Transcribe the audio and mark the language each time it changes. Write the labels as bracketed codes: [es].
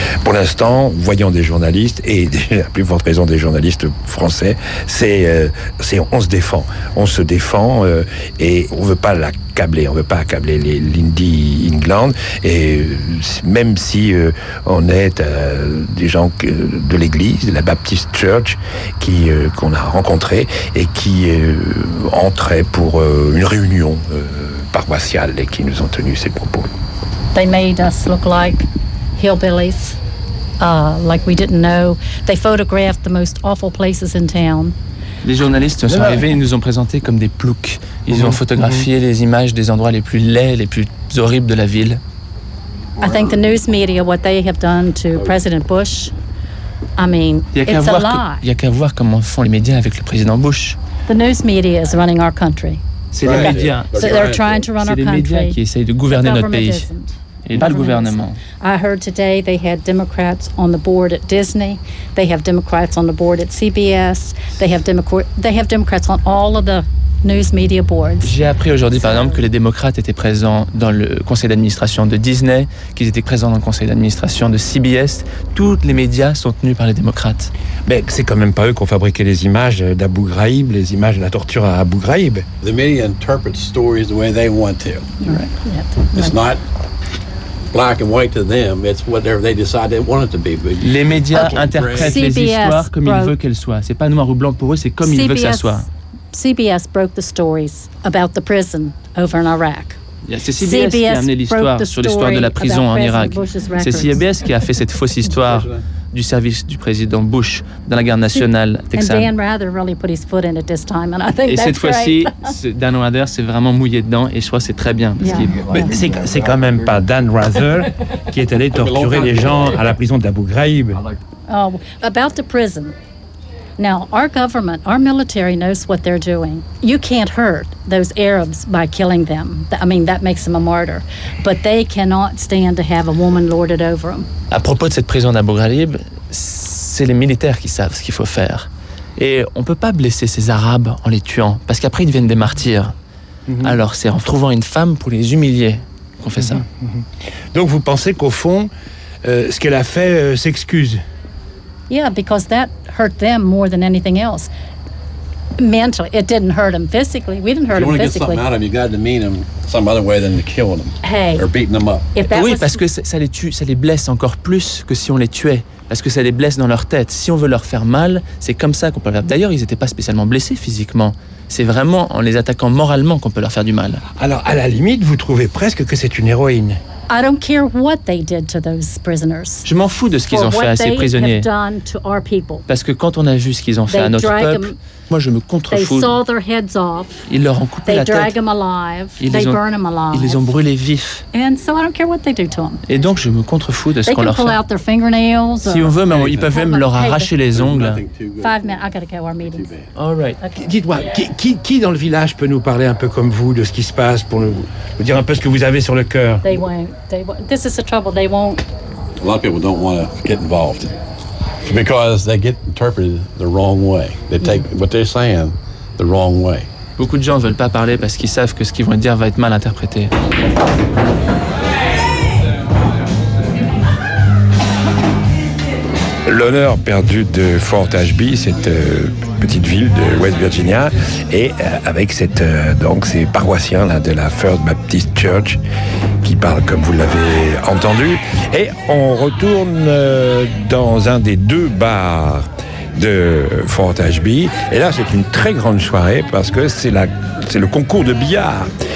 [fr] Pour l'instant, voyons des journalistes, et la plus forte raison des journalistes français, c'est on se défend et on veut pas accabler l'Indie England, et même si on est des gens de l'église, de la Baptist Church, qu'on a rencontré et qui entraient pour une réunion paroissiale et qui nous ont tenu ces propos. [en] They made us look like hillbillies, like we didn't know. They photographed the most awful places in town. [fr] Les journalistes sont arrivés et nous ont présentés comme des ploucs. Ils ont photographié les images des endroits les plus laids, les plus horribles de la ville. [en] I think the news media, what they have done to President Bush, I mean, it's a lie. [fr] Il y a qu'à voir comment font les médias avec le président Bush. [en] The news media is running our country. [fr] C'est les médias. [en] They're trying to run our country. [fr] C'est les médias qui essayent de gouverner notre pays. Et pas le gouvernement. [en] I heard today they had Democrats on the board at Disney. They have Democrats on the board at CBS. They have Democrats on all of the news media boards. [fr] J'ai appris aujourd'hui, par exemple, que les démocrates étaient présents dans le conseil d'administration de Disney, qu'ils étaient présents dans le conseil d'administration de CBS. Tous les médias sont tenus par les démocrates. Mais c'est quand même pas eux qui ont fabriqué les images d'Abu Ghraib, les images de la torture à Abu Ghraib. [en] The media interprets stories the way they want to. Right. Yep. It's not black and white to them, it's whatever they decide they want it to be. [fr] Les médias interprètent les histoires comme ils veulent qu'elles soient. C'est pas noir ou blanc pour eux, c'est comme ils veulent que ça soit. [en] CBS broke the stories about the prison over in Iraq. [fr] C'est CBS qui a amené l'histoire sur l'histoire de la prison en Irak. C'est CBS qui a fait cette fausse histoire du service du président Bush dans la garde nationale texane. Et cette fois-ci, Dan Rather s'est vraiment mouillé dedans, et je crois que c'est très bien. C'est quand même pas Dan Rather qui est allé torturer les gens à la prison d'Abu Ghraib. [en] About the prison. Now, our government, our military knows what they're doing. You can't hurt those Arabs by killing them. I mean, that makes them a martyr. But they cannot stand to have a woman lorded over them. [fr] À propos de cette prison d'Abu Ghraib, c'est les militaires qui savent ce qu'il faut faire. Et on peut pas blesser ces Arabes en les tuant, parce qu'après ils deviennent des martyrs. Mm-hmm. Alors c'est en trouvant une femme pour les humilier qu'on fait ça. Mm-hmm. Donc vous pensez qu'au fond, ce qu'elle a fait s'excuse? [en] Yeah, because that hurt them more than anything else. Mentally, it didn't hurt them physically. We didn't hurt them physically. If you want to get something out of them, you got to mean them some other way than killing them. Hey. Or beating them up. [fr] Oui, parce que ça les blesse encore plus que si on les tuait. parce que ça les blesse dans leur tête. Si on veut leur faire mal, c'est comme ça qu'on peut leur faire. D'ailleurs, ils n'étaient pas spécialement blessés physiquement. C'est vraiment en les attaquant moralement qu'on peut leur faire du mal. Alors, à la limite, vous trouvez presque que c'est une héroïne. [en] I don't care what they did to those prisoners. [fr] Je m'en fous de ce qu'ils ont fait à ces prisonniers. Parce que quand on a vu ce qu'ils ont fait à notre peuple, moi je me contrefous. [en] They saw their heads off. [fr] Ils leur ont coupé la tête. [en] They drag them alive. They burn them alive. [fr] Ils les ont brûlés vifs. [en] And so I don't care what they do to them. [fr] Et donc je me contrefous de ce qu'on leur fait. [en] They can pull out their fingernails. [fr] Si on veut, mais ils peuvent même leur arracher les ongles. [en] 5 minutes. I gotta go. Our meeting. All right. Okay. [fr] Dites-moi, qui dans le village peut nous parler un peu comme vous de ce qui se passe pour nous dire un peu ce que vous avez sur le cœur? [en] They won't. This is the trouble. They won't. A lot of people don't want to get involved. Because they get interpreted the wrong way. They take what they're saying the wrong way. [fr] Beaucoup de gens veulent pas parler parce qu'ils savent que ce qu'ils vont dire va être mal interprété. L'honneur perdu de Fort Ashby, cette petite ville de West Virginia, et avec cette donc ces paroissiens là de la First Baptist Church qui parlent comme vous l'avez entendu, et on retourne dans un des deux bars de Fort Ashby, et là c'est une très grande soirée parce que c'est le concours de billard.